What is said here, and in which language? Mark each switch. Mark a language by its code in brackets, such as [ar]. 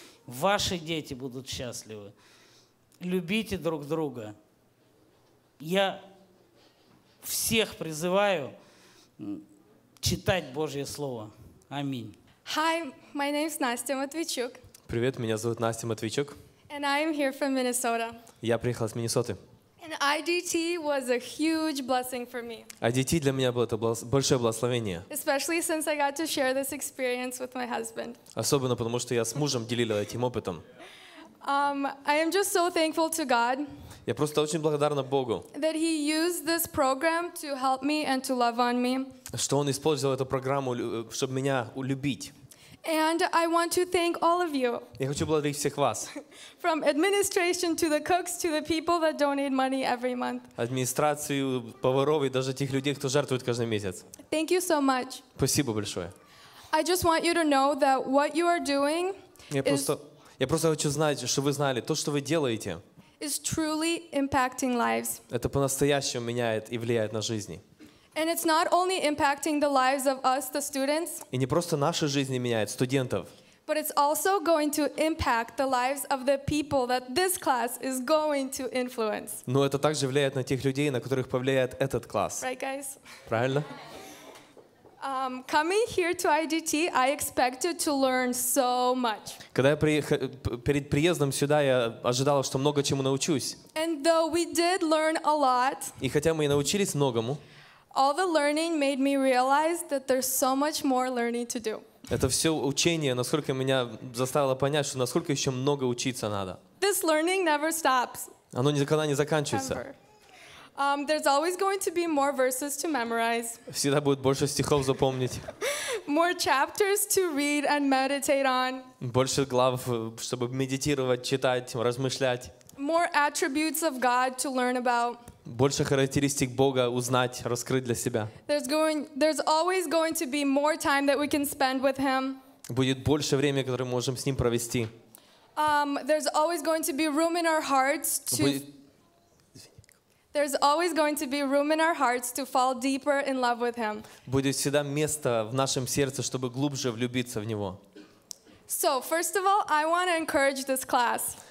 [ru] Ваши дети будут счастливы. Любите друг друга. Я всех призываю читать Божье Слово. Аминь. [en] Hi, my name is Настя Матвейчук. [ru] Привет, меня зовут Настя Матвейчук. [en] And I am here from Minnesota. [ru] Я приехал из Миннесоты. [en] And IDT was a huge blessing for me. [ru] IDT для меня было это большое благословение. [en] Especially since I got to share this experience with my husband. [ru] Особенно потому что я с мужем делила этим опытом. [en] I am just so thankful to God. [ru] Я просто очень благодарна Богу. [en] That he used this program to help me and to love on me. [ru] Что он использовал эту программу, чтобы меня улюбить. [en] And I want to thank all of you. [ru] Я хочу благодарить всех вас. [en] From administration to the cooks to the people that donate money every month. [ru] Администрацию, поваров и даже тех людей, кто жертвует каждый месяц. [en] Thank you so much. [ru] Спасибо большое. [en] I just want you to know that what you are doing [ru] Я просто хочу знать, чтобы вы знали, то, что вы делаете, [en] is truly impacting lives. [ru] Это по-настоящему меняет и влияет на жизни. [en] And it's not only impacting the lives of us, the students. [ru] И не просто наши жизни меняет студентов. [en] But it's also going to impact the lives of the people that this class is going to influence. [ru] Но это также влияет на тех людей, на которых повлияет этот класс. [en] Right, guys? [ru] Правильно? [en] Coming here to IDT, I expected to learn so much. [ru] Когда я перед приездом сюда, я ожидала, что много чему научусь. [en] And though we did learn a lot. [ru] И хотя мы и научились многому. [en] All the learning made me realize that there's so much more learning to do. [ru] Это все учение, насколько меня заставило понять, что насколько еще много учиться надо. [en] This learning never stops. [ru] Оно никогда не заканчивается. [en] There's always going to be more verses to memorize. [ru] Всегда будет больше стихов запомнить. [en] More chapters to read and meditate on. [ru] Больше глав, чтобы медитировать, читать, размышлять. [en] More attributes of God to learn about. [ru] Больше характеристик Бога узнать, раскрыть для себя. [en] There's always going to be more time that we can spend with Him. [ru] Будет больше времени, которое мы можем с Ним провести. [en] There's always going to be room in our hearts to. There's always going to be room in our hearts to fall deeper in love with Him. [ru] Будет всегда место в нашем сердце, чтобы глубже влюбиться в Него. [en] So, first of all, I want to encourage this class.